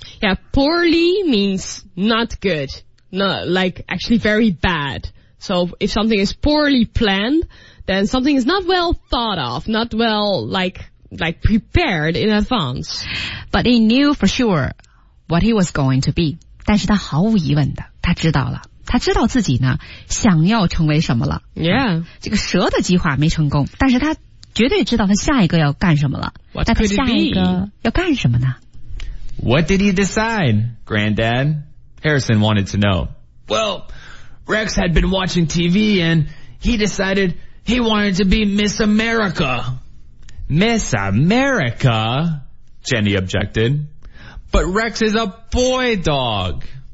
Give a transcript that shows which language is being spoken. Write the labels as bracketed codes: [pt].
[en] Yeah, poorly means not good, not like actually very bad. So if something is poorly planned, then something is not well thought of, not well like prepared in advance. But he knew for sure what he was going to be. [zh] 但是他毫无疑问的，他知道了，他知道自己呢想要成为什么了。 [en] Yeah, [zh] 这个蛇的计划没成功，但是他绝对知道他下一个要干什么了。 [en] What could it be? [zh] 那他下一个要干什么呢？ [en] What did he decide, Granddad? Harrison wanted to know. Well, Rex had been watching TV and he decided he wanted to be Miss America. Miss America? Jenny objected. But Rex is a boy dog.